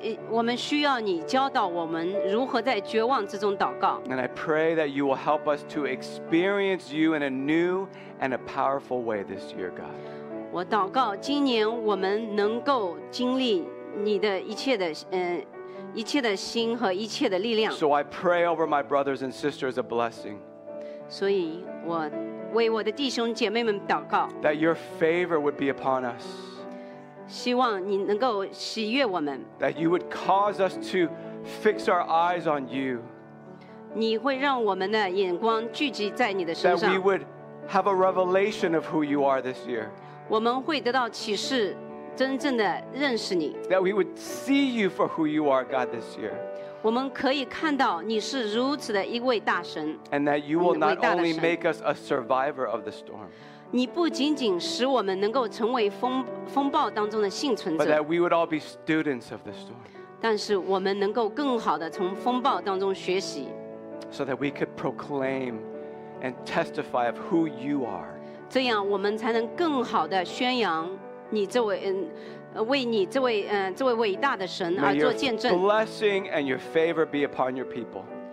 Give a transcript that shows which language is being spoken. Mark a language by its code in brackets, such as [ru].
[zh] 我们需要你教导我们如何在绝望之中祷告。 [en] And I pray that you will help us to experience you in a new and a powerful way this year, God. [zh] 我祷告今年我们能够经历你的一切的一切的心和一切的力量。 [en] So I pray over my brothers and sisters a blessing. [zh] 所以我为我的弟兄姐妹们祷告。 [en] That your favor would be upon us. [zh] 希望你能够喜悦我们。 [en] That you would cause us to fix our eyes on you. [zh] 你会让我们的眼光聚集在你的身上。 [en] That we would have a revelation of who you are this year. [zh] 我们会得到启示。真正的认识你。 [en] That we would see you for who you are, God, this year. [zh] 我们可以看到你是如此的一位大神。 [en] And that you will not only make us a survivor of the storm. [zh] 你不仅仅使我们能够成为风暴当中的幸存者。 [en] But that we would all be students of the storm. [zh] 但是我们能够更好的从风暴当中学习。 [en] So that we could proclaim and testify of who you are. [zh] 这样我们才能更好的宣扬你这位为你这位这位伟大的神而做见证。 [en] May your blessing and your favor be upon your people.